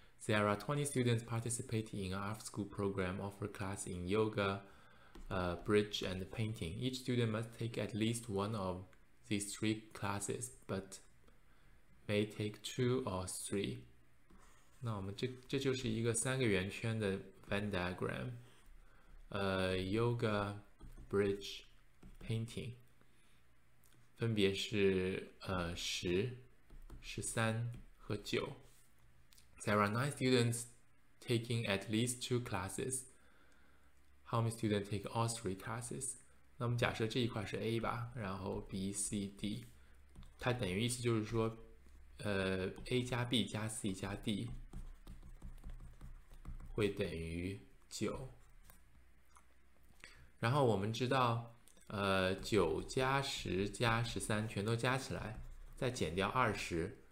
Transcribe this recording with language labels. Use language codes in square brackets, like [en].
[en] There are 20 students participating in an after-school program offered class in yoga, bridge, and painting. Each student must take at least one of these three classes, but may take two or three。 [zh] 那我们这就是一个三个圆圈的 Venn diagram， yoga bridge painting， 分别是十、13和9。 [en] There are 9 students taking at least 2 classes. How many students take all 3 classes? [zh] 那我们假设这一块是 A 吧，然后 B、C、D， 它等于意思就是说，A 加 B 加 C 加 D 会等于9。然后我们知道，9加10加13全都加起来，再减掉20。